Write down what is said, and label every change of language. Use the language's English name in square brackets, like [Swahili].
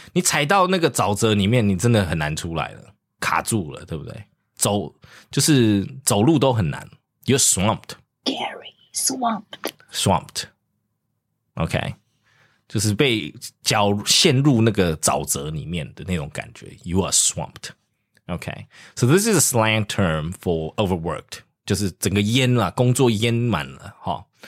[Chinese] 你踩到那个沼泽里面，你真的很难出来了，卡住了，对不对？走就是走路都很难。 [English] You're swamped. Gary, swamped. Swamped. OK. [Chinese] 就是被脚陷入那个沼泽里面的那种感觉。 [English] You are swamped. OK. So this is a slang term for overworked. [Chinese] 就是整个淹了，工作淹满了，哈。